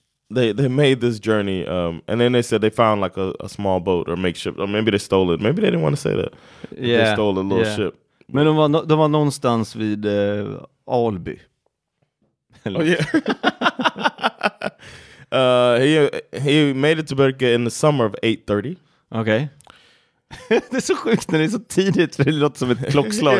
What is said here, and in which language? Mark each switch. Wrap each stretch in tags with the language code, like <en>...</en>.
<en>They made this journey, and then they said they found like a small boat or makeshift, or maybe they stole it. Maybe they didn't want to say that. Yeah. They stole a little ship.</en> <sv>Men de var någonstans vid Alby.</sv> <en>Oh yeah. he made it to Birka in the summer of 830. Okay.</en> <sv>Det är så sjukt när det är så tidigt, för det låter som ett klockslag.</sv>